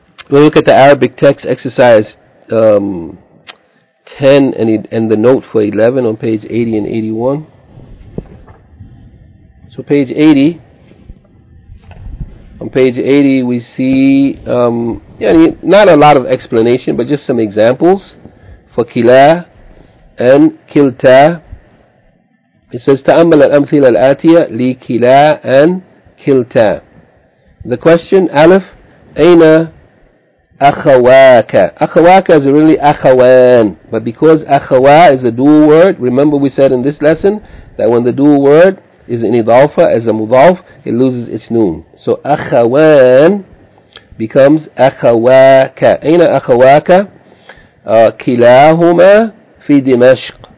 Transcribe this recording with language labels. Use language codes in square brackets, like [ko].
[en] We'll look at the Arabic text, exercise 10 and the note for 11 on page 80 and 81. So page 80. On page 80 we see not a lot of explanation, but just some examples for kila and kilta. It says, [ar] تأمل الأمثلة الآتية لكلا and كلتا. [en] The question, Aleph, [ar] أين أخواك? [en] أخواك is really أخوان, but because أخوا is a dual word, remember we said in this lesson that when the dual word is an idhafa, as a mudhaf, it loses its noon. So akhawan becomes akhawaka. [ar] Aina akhawaka? Kilahuma fi Dimashq.